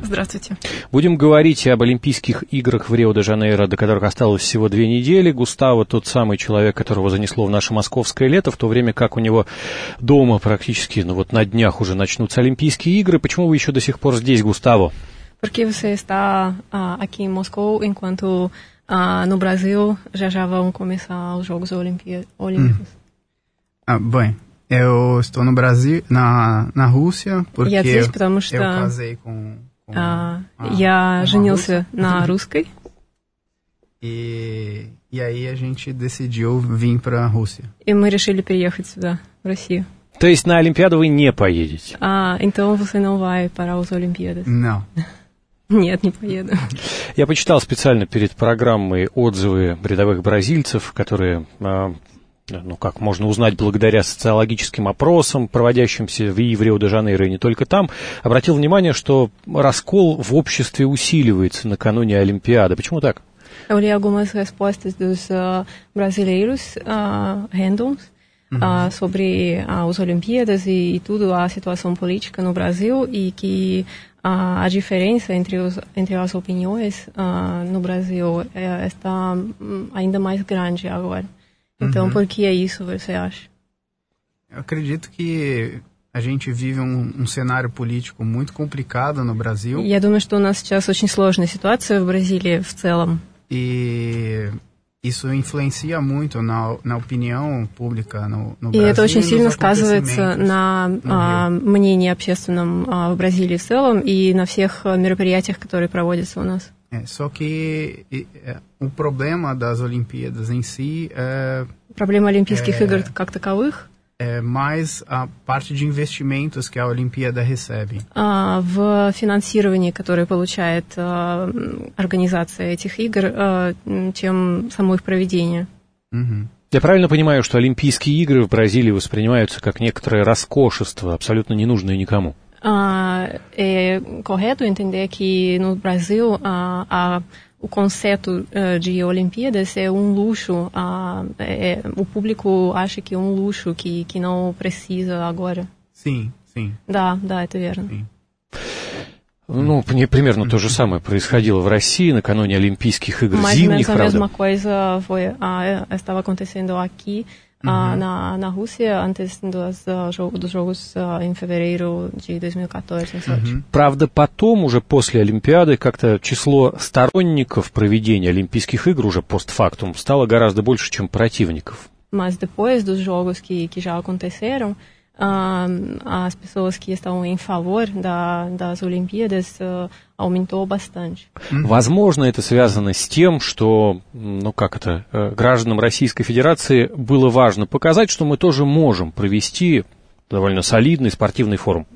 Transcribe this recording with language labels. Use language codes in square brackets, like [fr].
[ru] Здравствуйте. Будем говорить об Олимпийских играх в Рио-де-Жанейро, до которых осталось всего две недели. Густаво тот самый человек, которого занесло в наше московское лето, в то время как у него дома практически, ну вот на днях уже начнутся Олимпийские игры. Почему вы еще до сих пор здесь, Густаво? [pt] Porque você está aqui em Moscou, enquanto no Brasil já vão começar os Jogos Olímpicos? Bem, eu estou no Brasil, na Rússia, porque eu casei com... [ru] Я женился на русской. [pt] E aí a gente decidiu vir para a Rússia. [ru] E мы решили переехать сюда, в Россию. То есть на Олимпиаду вы не поедете? [pt] Então você não vai para as Olimpíadas? Não. [ru] Нет, не поеду. Я почитал специально перед программой отзывы рядовых бразильцев, которые, ну, как можно узнать, благодаря социологическим опросам, проводящимся в Рио-де-Жанейро и не только там, обратил внимание, что раскол в обществе усиливается накануне Олимпиады. Почему так? [pt] Eu li algumas respostas dos brasileiros, randoms, sobre as Olimpíadas e tudo, a situação política no Brasil, e que a diferença entre as opiniões no Brasil está ainda mais grande agora. Então, por que é isso, você acha? Eu acredito que a gente vive um cenário político muito complicado no Brasil. [ru] Я думаю, что у нас сейчас очень сложная ситуация в Бразилии в целом. [pt] E isso influencia muito na opinião pública no Brasil. [ru] И это очень сильно сказывается на мнении общественном в Бразилии в целом и на всех мероприятиях, которые проводятся у нас. [pt] Só que o problema das Olimpíadas em si é... [ru] Проблема Олимпийских игр как таковых? [pt] É mais a parte de investimentos que a Olimpíada recebe. [ru] В финансировании, которое получает организация этих игр, чем само их проведение. Я правильно понимаю, что Олимпийские игры в Бразилии воспринимаются как некоторое роскошество, абсолютно ненужное никому? [pt] É correto entender que no Brasil o conceito de Olimpíadas é um luxo. O público acha que é um luxo, que não precisa agora. Sim, sim. [ru] Да, это верно. [pt] Sim. [ru] Ну, примерно то же самое происходило в России накануне Олимпийских игр, [pt] mais [ru] зимних, правда. [pt] Mesma coisa foi, estava acontecendo aqui, na Rússia, antes dos jogos em fevereiro de 2014. [ru] Правда, потом, уже после Олимпиады, как-то число сторонников проведения Олимпийских игр уже постфактум стало гораздо больше, чем противников. [pt] Mas depois dos jogos que já aconteceram, as pessoas que estão em favor das Olimpíadas aumentou bastante. [ru] Возможно, это связано с тем, что, ну как это, гражданам Российской Федерации было важно показать, что мы тоже можем провести довольно солидный спортивный форум.